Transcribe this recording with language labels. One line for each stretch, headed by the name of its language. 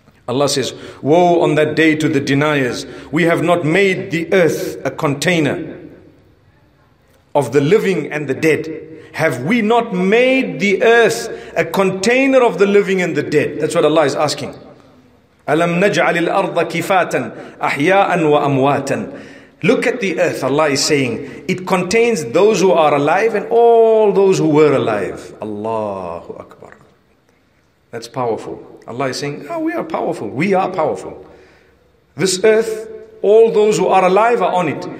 English: Allah says, woe on that day to the deniers. We have not made the earth a container of the living and the dead? Have we not made the earth a container of the living and the dead? That's what Allah is asking.
Arabic: أَلَمْ نَجْعَلِ الْأَرْضَ كِفَاتًا أَحْيَاءً وَأَمْوَاتًا.
English: Look at the earth, Allah is saying. It contains those who are alive and all those who were alive. Allahu Akbar. That's powerful. Allah is saying, oh, we are powerful. We are powerful. This earth, all those who are alive are on it.